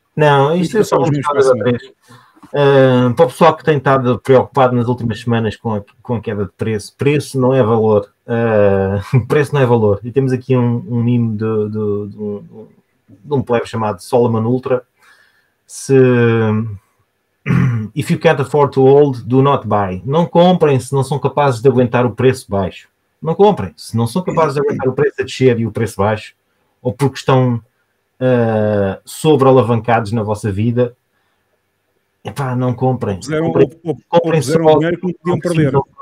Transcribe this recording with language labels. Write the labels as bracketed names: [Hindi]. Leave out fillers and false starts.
[Portuguese] Não, isto é só os mimos para a vez. Para o pessoal que tem estado preocupado nas últimas semanas com a queda de preço, preço não é valor. Preço não é valor. E temos aqui um mimo de um plebe chamado Solomon Ultra. [English] Se, if you can't afford to hold, do not buy. [Portuguese] Não comprem se não são capazes de aguentar o preço baixo. Não comprem, se não são capazes de aguentar o preço a descer e o preço baixo, ou porque estão sobre-alavancados na vossa vida, epá, não comprem. Comprem só o dinheiro que podiam perder.